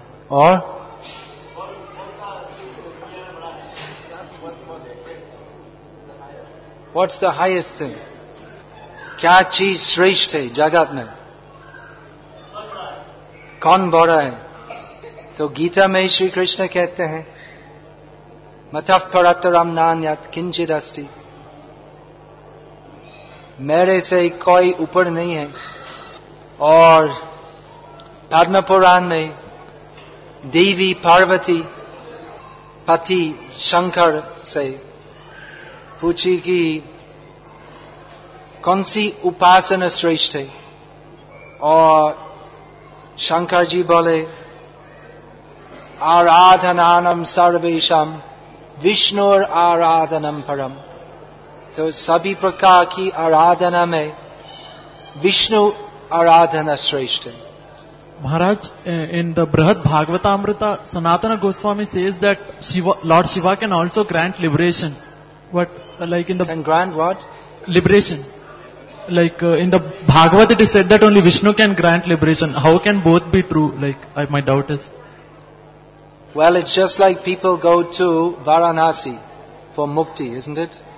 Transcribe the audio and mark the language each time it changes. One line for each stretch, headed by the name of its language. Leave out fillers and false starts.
Hindi: और
English: What's the highest thing?
Hindi: क्या चीज श्रेष्ठ है जगत में, कौन बड़ा है? तो गीता में श्री कृष्ण कहते हैं
Sanskrit: मतः परतरम नान्यत् किंचिदस्ति,
Hindi: मेरे से कोई ऊपर नहीं है। और पद्म पुराण में देवी पार्वती पति शंकर से पूछी कि कौन सी उपासना श्रेष्ठ है, और शंकर जी बोले
Sanskrit: आराधनानम सर्वेशम विष्णुर आराधनम परम।
Hindi: तो सभी प्रकार की आराधना में विष्णु आराधना श्रेष्ठ है।
English: Maharaj, in the Brihad Bhagavatamrita Sanatana Goswami says that Lord Shiva can also grant liberation, but like in the grant what liberation, like in the Bhagavad it is said that only Vishnu can grant liberation, how can both be true? Like my doubt is, well, it's just like people go to Varanasi for mukti, isn't it?